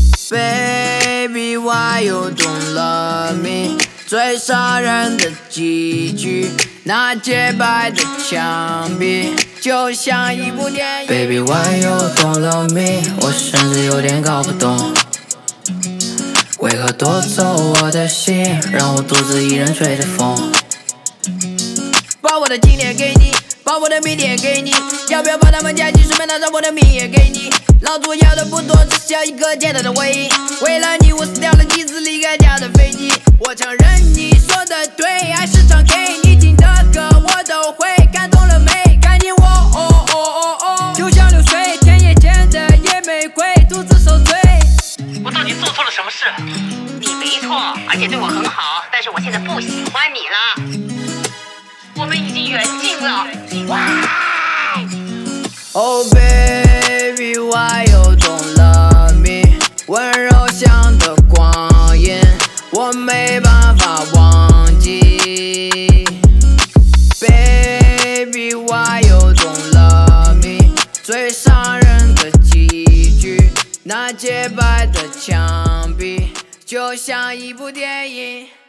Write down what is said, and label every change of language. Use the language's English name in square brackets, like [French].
[English] Baby, why you don't love me? [Chinese] 最杀人的几句，那洁白的墙壁就像一部电影。 [English] Baby, why you don't love me? [Chinese] 我甚至有点搞不懂，为何夺走我的心，让我独自一人吹着风。把我的经典给你，把我的名片给你，要不要把他们加进书面，拿上我的名言给你。老子要的不多，只需要一个简单的回应。为了你，我死掉了几次离开家的飞机。我承认你说的对，爱是场给你听的歌，我都会感动了没感情我哦哦哦哦，就像流水，田野间的野玫瑰独自受罪。我到底做错了什么事？你没错，而且对我很好，但是我现在不喜欢你了。我们已经缘尽了。哇 [English] ！Oh baby, why you don't love me? [Chinese] 温柔乡的光阴，我没办法忘记。 [English] Baby, why you don't love me? [Chinese] 最伤人的几句，那洁白的墙壁就像一部电影。